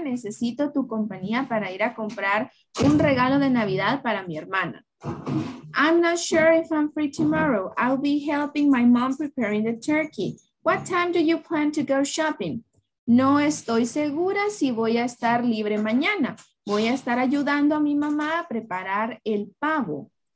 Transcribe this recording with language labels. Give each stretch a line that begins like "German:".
Spanish: Necesito tu compañía para ir a comprar un regalo de Navidad para mi hermana.
English: I'm not sure if I'm free tomorrow. I'll be helping my mom preparing the turkey. What time do you plan to go shopping?
Spanish: No estoy segura si voy a estar libre mañana. Voy a estar ayudando a mi mamá a preparar el pavo.